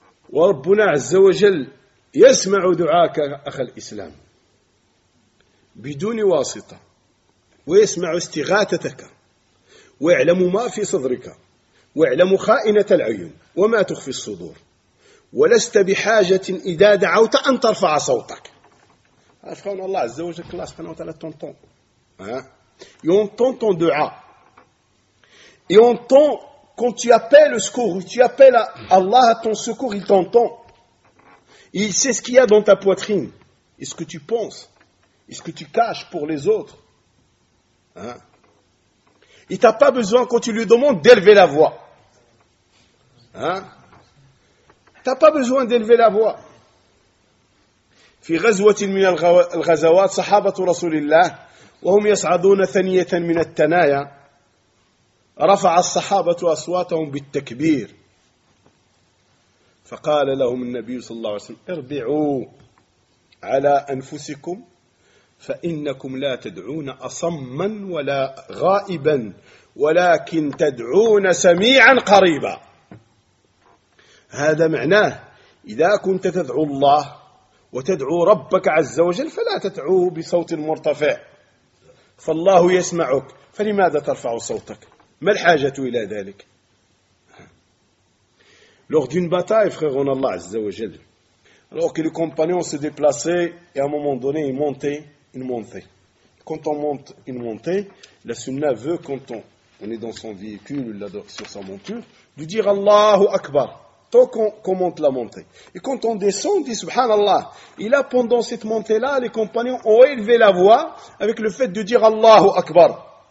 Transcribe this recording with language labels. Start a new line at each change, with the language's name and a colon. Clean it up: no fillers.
Arabic: وربنا عز وجل يسمع دعاك أخ الإسلام بدون واسطة، ويسمع استغاثتك، ويعلم ما في صدرك، ويعلم خائنة العيون وما تخفي الصدور، ولست بحاجة إذا دعوت أن ترفع صوتك. أخوان الله عز وجل الله سبحانه وتعالى تنطن.
French: Et on entend ton dua. Et on entend quand tu appelles au secours, tu appelles à Allah à ton secours, il t'entend. Et il sait ce qu'il y a dans ta poitrine. Et ce que tu penses. Et ce que tu caches pour les autres. Il t'a pas besoin, quand tu lui demandes, d'élever la voix. T'as pas besoin d'élever la voix.
Arabic: Fi ghazwatin min al-ghazawat, sahabatu Rasulillah. وهم يصعدون ثنية من التنايا رفع الصحابة أصواتهم بالتكبير فقال لهم النبي صلى الله عليه وسلم اربعوا على أنفسكم فإنكم لا تدعون أصما ولا غائبا ولكن تدعون سميعا قريبا. هذا معناه إذا كنت تدعو الله وتدعو ربك عز وجل فلا تدعوه بصوت مرتفع فالله يسمعك، فلماذا ترفع صوتك؟ ما الحاجة إلى ذلك؟
French: Lors d'une bataille, frère, on a Allah Azza wa Jal. Alors que les compagnons se déplaçaient, et à un moment donné, ils montaient, ils montaient. Quand on monte, ils montaient, la sunnah veut, quand on est dans son véhicule, ou sur sa monture, de dire Allahu Akbar, tant qu'on monte la montée. Et quand on descend, on dit Subhanallah. Et là, pendant cette montée-là, les compagnons ont élevé la voix avec le fait de dire Allahu Akbar.